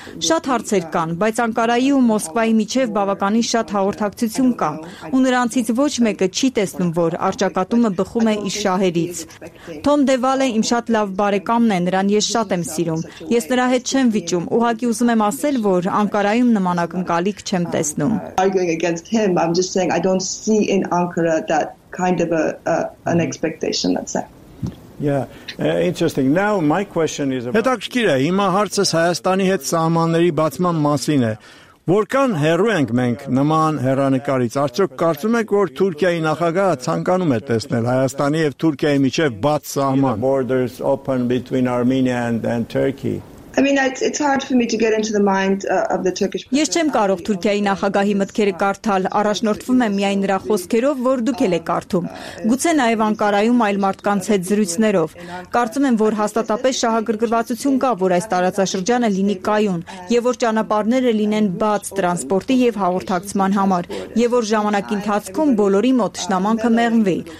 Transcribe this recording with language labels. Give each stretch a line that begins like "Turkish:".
Armenian: Շատ հարցեր կան, բայց Անկարայի ու Մոսկվայի միջև բավականին շատ հաղորդակցություն կա, ու նրանցից ոչ մեկը չի տեսնում, որ արճակատումը բխում է իր շահերից։ Թոմ Դեվալը իմ շատ լավ բարեկամն է, նրան ես շատ եմ սիրում։ Ես նրա հետ չեմ վիճում, ուղղակի ուզում եմ ասել, որ Անկարայում նման ակնկալիք չեմ տեսնում։
English: I'm just saying I don't see in Ankara that kind of an expectation, let's say. Yeah, interesting. Now my question is about
Armenian: Հետաքրքիր է, հիմա հարցը Հայաստանի հետ սահմանների բացման մասին է։ Որքան հեռու ենք մենք նման հեռանկարից, արդյոք կարծում եք, որ Թուրքիայի նախագահը ցանկանում է տեսնել Հայաստանի եւ Թուրքիայի միջև բաց սահման?
English: Borders open between Armenia and Turkey. I mean it's hard for me to get into the mind of the Turkish president.
Armenian: Ես չեմ կարող Թուրքիայի նախագահի մտքերը կարդալ, առաջնորդվում եմ միայն նրա խոսքերով, որ դուք եկել եք արթում։ Գուցե նաև Անկարայում այլ մարդկանց հետ զրույցներով։ Կարծում եմ, որ հաստատապես շահագրգռվածություն կա, որ այս տարածաշրջանը լինի կայուն, եւ որ ճանապարհները լինեն բաց տրանսպորտի եւ հաղորդակցման համար, եւ որ ժամանակի ընթացքում բոլորի մոտ շնամանքը մեղմվի։